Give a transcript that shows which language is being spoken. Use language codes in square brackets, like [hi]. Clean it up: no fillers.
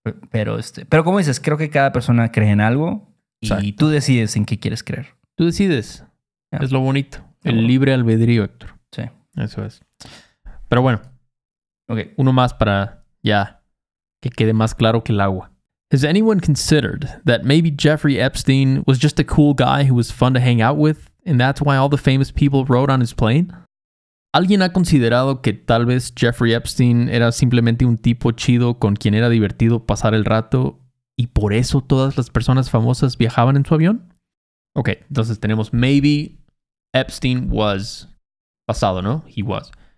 [es] Pero como dices, creo que cada persona cree en algo. Exacto. Y tú decides en qué quieres creer. Tú decides. Yeah. Es lo bonito. El libre albedrío, Héctor. Sí. Eso es. Pero bueno, okay. Uno más para ya que quede más claro que el agua. [en] Has anyone considered that maybe Jeffrey Epstein was just a cool guy who was fun to hang out with, and that's why all the famous people rode on his plane? [es] ¿Alguien ha considerado que tal vez Jeffrey Epstein era simplemente un tipo chido con quien era divertido pasar el rato, y por eso todas las personas famosas viajaban en su avión? Ok, entonces tenemos [en] maybe Epstein was [es] pasado, ¿no? [en] He was.